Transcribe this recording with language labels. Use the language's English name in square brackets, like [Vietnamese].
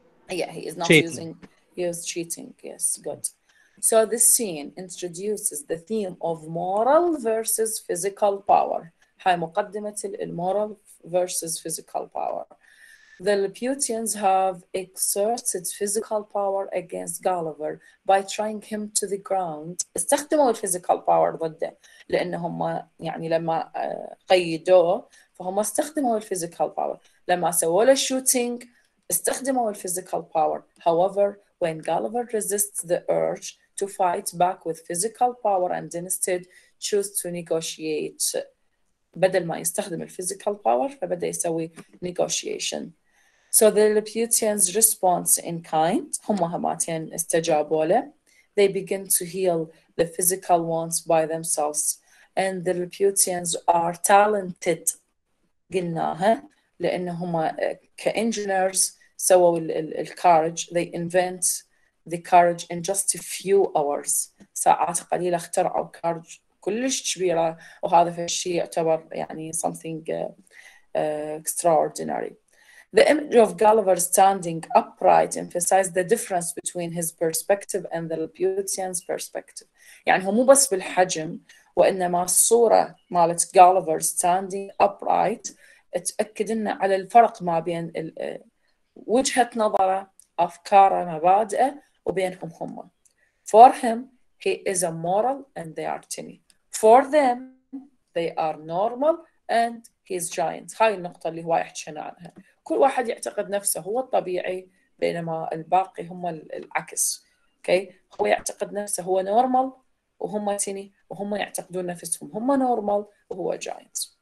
[English] Yeah, he is not cheating. Using. He is cheating. Yes, good. So this scene introduces the theme of moral versus physical power. [Arabic] هاي مقدمة [English] المoral versus physical power. The Laputians have exerted physical power against Gulliver by trying him to the ground. [Arabic] استخدموا physical power ضده لأنهم يعني لما قيدوه فهم استخدموا physical power. لما سووا له shooting استخدموا physical power. [English] However, when Gulliver resists the urge to fight back with physical power and instead choose to negotiate, [Arabic] بدل ما يستخدم physical power فبدأ يسوي negotiation. [English] So the Laputians' response in kind, [Arabic] هم هماتين استجابوا له. [English] They begin to heal the physical wounds by themselves. And the Laputians are talented, [Arabic] قلناها, لأن هم كإنجينيرز سووا الكارج. [English] They invent the carriage in just a few hours. [Arabic] ساعات قليلة اخترعوا كارج كلش كبيرة, وهذا في الشيء يعتبر يعني [English] something extraordinary. The image of Gulliver standing upright emphasized the difference between his perspective and the Laputian's perspective. [Arabic] يعني هو مو بس بالحجم وإنما الصورة مالت [English] Gulliver standing upright [Arabic] تأكد لنا على الفرق ما بين وجهة نظره أفكاره مبادئه وبينهم هم. [English] For him, he is a moral and they are tiny. For them, they are normal and he is giant. [Arabic] هاي النقطة اللي هو يحكينا عنها. كل واحد يعتقد نفسه هو الطبيعي بينما الباقي هم العكس. [English] Okay. [Arabic] هو يعتقد نفسه هو نورمال وهم تيني وهم يعتقدون نفسهم هم نورمال وهو جاينت.